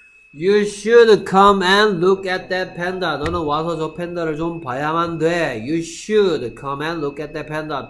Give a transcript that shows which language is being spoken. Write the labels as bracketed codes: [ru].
[en] You should come and look at that panda. [ko] 너는 와서 저 팬더를 좀 봐야만 돼. [en] You should come and look at that panda.